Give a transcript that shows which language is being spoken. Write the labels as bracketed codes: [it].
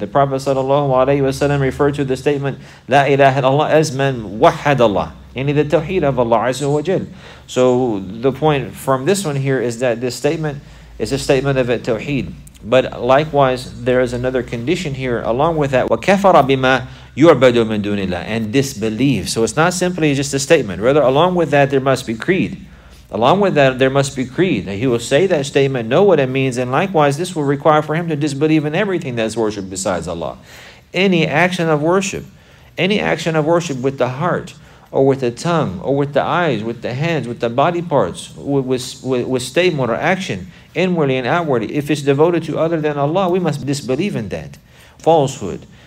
[en] The Prophet sallallahu alayhi wa sallam referred to the statement la ilaha illallah as [ar] man wahhad Allah. [en] Any the tawheed of Allah Azza wa Jal. So the point from this one here is that this statement is a statement of a tawheed. But likewise, there is another condition here along with that. [ar] وَكَفَرَ بِمَا يُعْبَدُ مِن دُونِ اللَّهِ, [en] and disbelieve. So it's not simply just a statement. Rather, along with that, there must be creed. Along with that, there must be creed. That he will say that statement, know what it means, and likewise, this will require for him to disbelieve in everything that is worshipped besides Allah. Any action of worship with the heart, or with the tongue, or with the eyes, with the hands, with the body parts, with statement or action, inwardly and outwardly, if it's devoted to other than Allah, we must disbelieve in that. Falsehood.